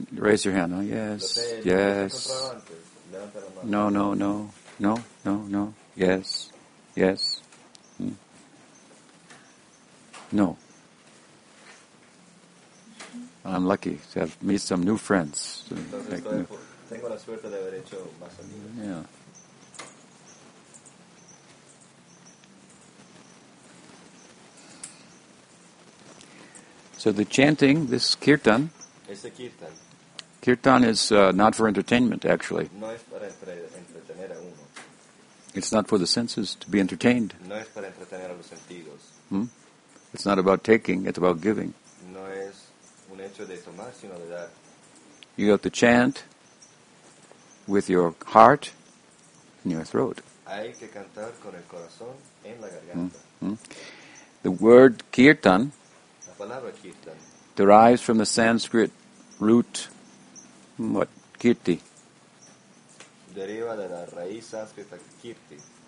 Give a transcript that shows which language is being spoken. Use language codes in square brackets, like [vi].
[en] Raise your hand. Oh, yes. Yes. No. Yes. Yes. No. I'm lucky to have met some new friends. [es] Tengo la suerte de haber hecho más amigos. [en] Yeah. So the chanting, this kirtan. [es] Este kirtan. [en] Kirtan is not for entertainment, actually. [es] No es para entretener a uno. [en] It's not for the senses to be entertained. [es] No es para entretener a los sentidos. [en] It's not about taking, it's about giving. [es] No es un hecho de tomar, sino de dar. [en] You have to chant with your heart and your throat. [es] Hay que cantar con el corazón en la garganta. [en] The word kirtan, [es] la palabra kirtan [en] derives from the Sanskrit root, kirti. [es] Deriva de la raíz sánscrita kirti.